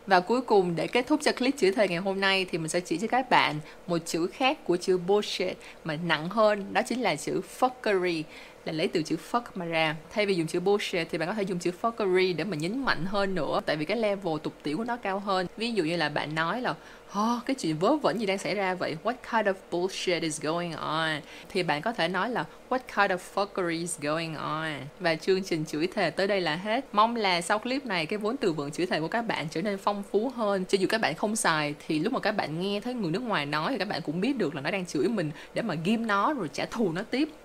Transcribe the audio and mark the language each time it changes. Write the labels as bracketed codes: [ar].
[vi] Và cuối cùng, để kết thúc cho clip chữ thề ngày hôm nay, thì mình sẽ chỉ cho các bạn một chữ khác của chữ bullshit mà nặng hơn, đó chính là chữ fuckery, là lấy từ chữ fuck mà ra. Thay vì dùng chữ bullshit thì bạn có thể dùng chữ fuckery để mà nhấn mạnh hơn nữa, tại vì cái level tục tĩu của nó cao hơn. Ví dụ như là bạn nói là cái chuyện vớ vẩn gì đang xảy ra vậy? [en] What kind of bullshit is going on? [vi] Thì bạn có thể nói là [en] What kind of fuckery is going on? [vi] Và chương trình chửi thề tới đây là hết. Mong là sau clip này, cái vốn từ vựng chửi thề của các bạn trở nên phong phú hơn. Cho dù các bạn không xài, thì lúc mà các bạn nghe thấy người nước ngoài nói thì các bạn cũng biết được là nó đang chửi mình, để mà ghim nó rồi trả thù nó tiếp.